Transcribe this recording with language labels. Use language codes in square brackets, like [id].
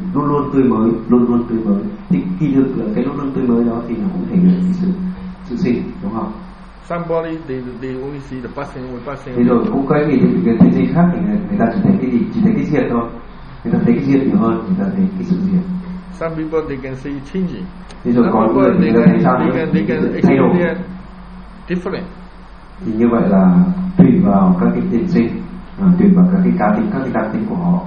[vi] Luôn luôn tươi mới, luôn luôn tươi mới. Thì khi được cái luôn luôn tươi mới đó thì nó cũng thể hiện sự sinh, đúng không? [en] Somebody they only see the passing with passing. [vi] Thì rồi cũng có cái gì thì cái thiền sinh khác thì người ta chỉ thấy cái diệt thôi. Người ta thấy cái diệt nhiều hơn, người ta thấy cái sự diệt. [en] Some people they can see changing. [vi] Thì rồi có người thì người ta thấy sao? [en] They can experience different. [vi] Thì như vậy là tùy vào các cái thiền sinh, tùy vào các cái cá tính, các cái đặc tính của họ.